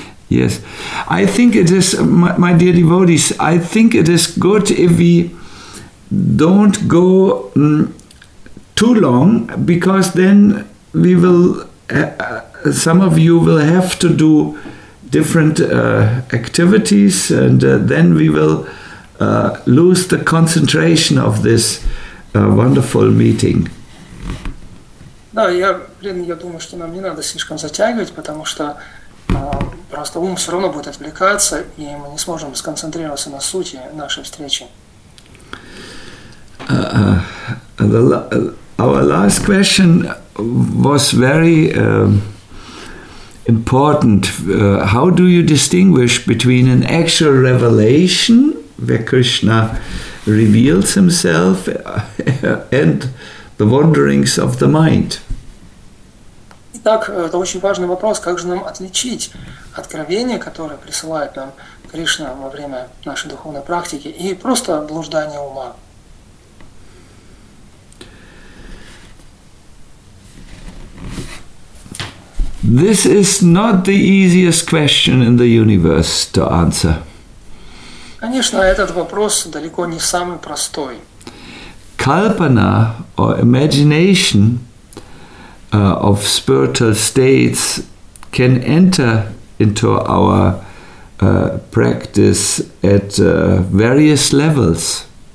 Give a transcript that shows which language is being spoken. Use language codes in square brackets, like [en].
[en] Yes, I think it is, my dear devotees, I think it is good if we don't go too long, because then we will, some of you will have to do different activities, and then we will lose the concentration of this wonderful meeting. [ru] Да, я думаю, что нам не надо слишком затягивать, потому что просто ум все равно будет отвлекаться, и мы не сможем сконцентрироваться на сути нашей встречи. [en] Our last question was very important. How do you distinguish between an actual revelation, where Krishna reveals himself, and the wanderings of the mind? [ru] Итак, это очень важный вопрос. Как же нам отличить откровение, которое присылает нам Кришна во время нашей духовной практики, и просто блуждание ума? [en] This is not the easiest question in the universe to answer. [ru] Конечно, этот вопрос далеко не самый простой. [en] Kalpana or imagination of spiritual states can enter into our practice at various levels.